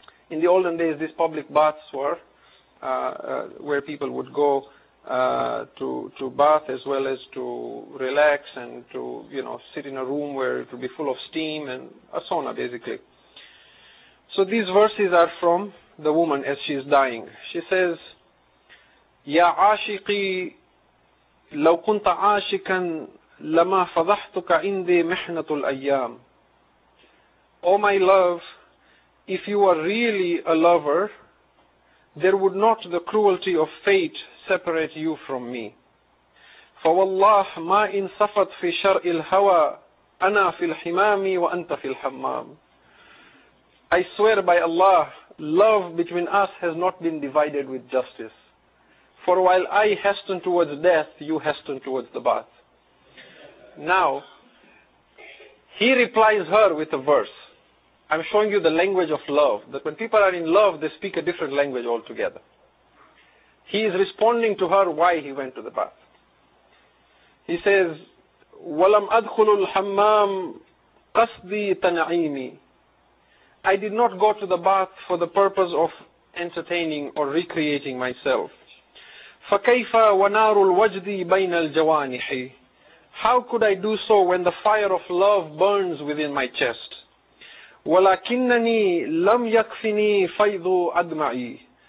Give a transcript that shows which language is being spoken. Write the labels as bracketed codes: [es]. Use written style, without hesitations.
[en] In the olden days, these public baths were where people would go to bath, as well as to relax and to, you know, sit in a room where it would be full of steam, and a sauna basically. So these verses are from the woman as she is dying. She says, [ar] Ya Ashiqi, لو كنت عاشقا لما فضحتك عندي محنة الأيام. [en] Oh my love, if you are really a lover, there would not the cruelty of fate separate you from me. [ar] فوالله ما إن صفت في شرء الهوى أنا في الحمام وأنت في الحمام. [en] I swear by Allah, love between us has not been divided with justice. For while I hasten towards death, you hasten towards the bath. Now, he replies her with a verse. I'm showing you the language of love. That when people are in love, they speak a different language altogether. He is responding to her why he went to the bath. He says, [ar] وَلَمْ أَدْخُلُ الْحَمَّامِ قَصْدِي تَنَعِيمِ. [en] I did not go to the bath for the purpose of entertaining or recreating myself. [ar] فَكَيْفَ وَنَارُ الْوَجْدِ بَيْنَ الْجَوَانِحِ. [en] How could I do so when the fire of love burns within my chest? [ar] وَلَكِنَّنِي لَمْ يَكْفِنِي فَيْضُ أَدْمَعِي.